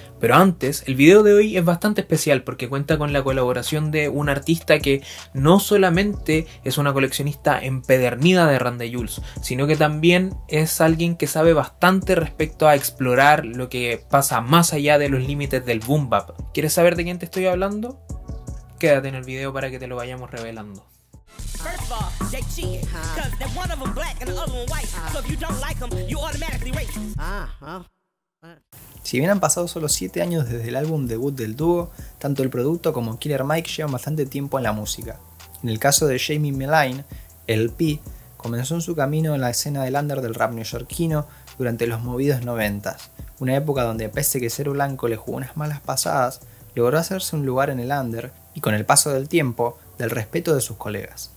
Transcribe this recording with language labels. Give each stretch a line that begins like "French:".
Spanish: Pero antes, el video de hoy es bastante especial porque cuenta con la colaboración de un artista que no solamente es una coleccionista empedernida de Run the Jewels, sino que también es alguien que sabe bastante respecto a explorar lo que pasa más allá de los límites del boom bap. ¿Quieres saber de quién te estoy hablando? Quédate en el video para que te lo vayamos revelando.
English: First of all, they cheated, cause that one of them black and the other one white. So if you don't like them, you automatically racist.
Spanish: Si bien han pasado solo 7 años desde el álbum debut del dúo, tanto el producto como Killer Mike llevan bastante tiempo en la música. En el caso de Jamie Milne, LP comenzó en su camino en la escena del under del rap neoyorquino durante los movidos 90s, una época donde pese que ser blanco le jugó unas malas pasadas, logró hacerse un lugar en el under y con el paso del tiempo, del respeto de sus colegas.